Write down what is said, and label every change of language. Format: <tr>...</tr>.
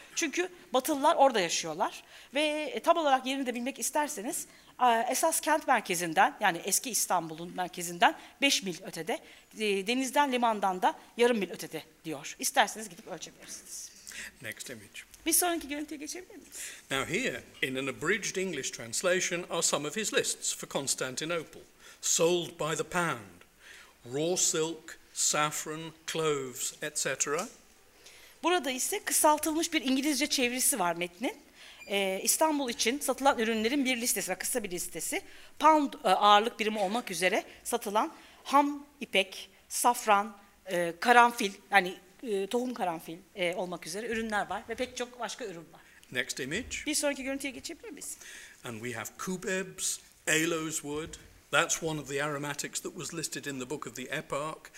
<tr>Çünkü Batılılar orada yaşıyorlar ve tam olarak yerini de bilmek isterseniz esas kent merkezinden, yani eski İstanbul'un merkezinden 5 mil ötede, denizden, limandan da yarım mil ötede diyor. İsterseniz gidip ölçebilirsiniz.</tr> <en>Next image.</en> <tr>Bir sonraki görüntüye geçebilir miyiz?</tr> <en>Now here, in an abridged English translation, are some of his lists for Constantinople, sold by the pound, raw silk, saffron, cloves, etc.</en> <tr>Burada ise kısaltılmış bir İngilizce çevirisi var metnin. İstanbul için satılan ürünlerin bir listesi, kısa bir listesi. Pound ağırlık birimi olmak üzere satılan ham, ipek, safran, karanfil, yani tohum karanfil olmak üzere ürünler var ve pek çok başka ürün var.</tr> <en>Next image.</en> <tr>Bir sonraki görüntüye geçebilir miyiz?</tr> <en>And we have cubebs, aloes wood. That's one of the aromatics that was listed in the Book of the Epoch.</en>